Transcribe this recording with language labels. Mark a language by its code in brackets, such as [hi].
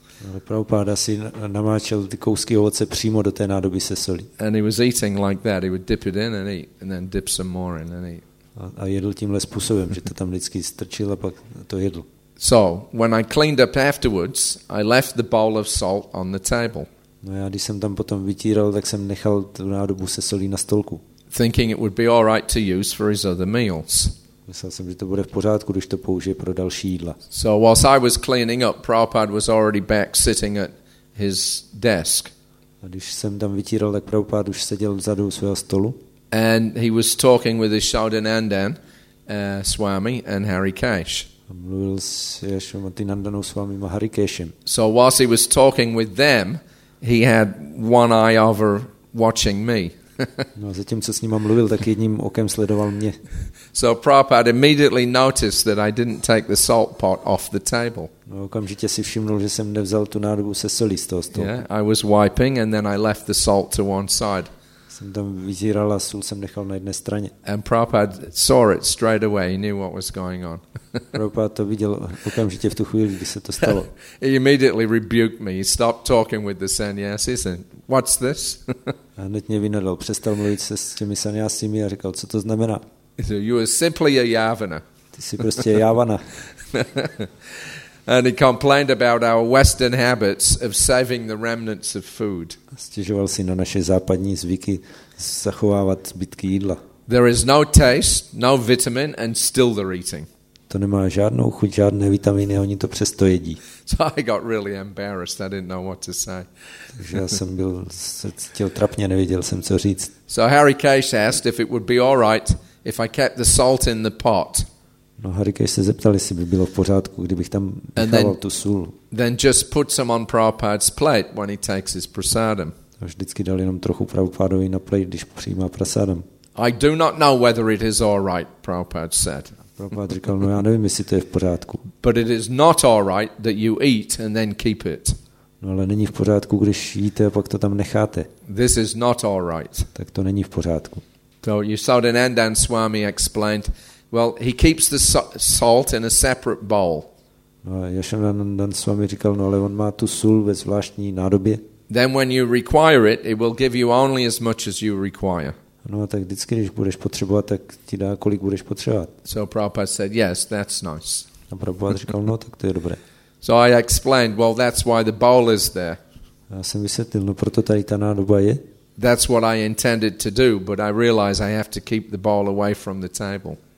[cs] Ale Prabhupada si namáčel ty kousky ovoce přímo do té nádoby se solí. [en] And he was eating like that. He would dip it in and eat, and then dip some more in and eat. [cs] A jedl tímhle způsobem, že to tam vždycky strčil a pak to jedl. [en] So, when I cleaned up afterwards, I left the bowl of salt on the table. [cs] No já, když jsem tam potom vytíral, tak jsem nechal tu nádobu se solí na stolku. [en] Thinking it would be all right to use for his other meals. [cs] Myslel jsem, že to bude v pořádku, když to použije pro další jídla. [en] So whilst I was cleaning up, Prabhupada was already back sitting at his desk. [cs] A když jsem tam vytíral, tak Prabhupada už seděl vzadu u svého stolu. [en] And he was talking with his Shodanandan Swami and Hari Kesh. [cs] A mluvil s Yashomati Nandanou Swami Maharikeshem. [en] So whilst he was talking with them, he had one eye over watching me. [cs] No a zatímco s ním mluvil, tak jedním okem sledoval mě. [en] So Prabhupada immediately noticed that I didn't take the salt pot off the table. [cs] No okamžitě si všimnul, že jsem nevzal tu nádobu se solí z toho stolu. [en] Yeah, I was wiping and then I left the salt to one side. [cs] Jsem tam vyzíral a sůl jsem nechal na jedné straně. [en] And Prabhupada saw it straight away. He knew what was going on. [cs] Prabhupada to viděl okamžitě v tu chvíli, kdy se to stalo. [en] He immediately rebuked me. He stopped talking with the sannyasis and what's this? [cs] A hned mě vynadal. Přestal mluvit se s těmi sannyasimi a říkal, co to znamená? [en] You are simply a yavana. [cs] Ty jsi prostě yavana. [en] And he complained about our Western habits of saving the remnants of food. [cs] Stěžoval si na naše západní zvyky zachovávat zbytky jídla. [en] There is no taste, no vitamin, and still they're eating. [cs] To nemá žádnou chuť, žádné vitaminy, oni to přesto jedí. [en] So I got really embarrassed. I didn't know what to say. [cs] Takže já jsem byl, se cítil trapně, nevěděl jsem, co říct. [en] So Hari Kesh asked if it would be all right if I kept the salt in the pot. [cs] No, Hari Kesh se zeptal, jestli by bylo v pořádku, kdybych tam nechával tu sůl. [en] Then just put some on Prabhupada's plate when he takes his prasadam. [cs] A vždycky dal jenom trochu Prabhupádovi na plate, když přijímá prasadam. [en] I do not know whether it is all right, Prabhupada said. [cs] Prabhupada říkal, no já nevím, jestli to je v pořádku. [en] But it is not all right that you eat and then keep it. [cs] No, ale není v pořádku, když jíte a pak to tam necháte. [en] This is not all right. [cs] Tak to není v pořádku. [en] So Yasodhanandan Swami explained. Well, he keeps the salt in a separate bowl. [cs] No, Yashodhanandan Swami říkal, no, ale on má tu sůl ve zvláštní nádobě. [en] Then when you require it, it will give you only as much as you require. [cs] No, tak vždycky, když budeš potřebovat, tak ti dá, kolik budeš potřebovat. [en] So Prabhupada said, yes, that's nice. [cs] A Prabhupada říkal, no, tak to je dobré. [en] So I explained, well, that's why the bowl is there. [cs] Já jsem vysvětlil, no, proto tady ta nádoba je. [en] That's what I intended to do, but I realize I have to keep the bowl away from the table.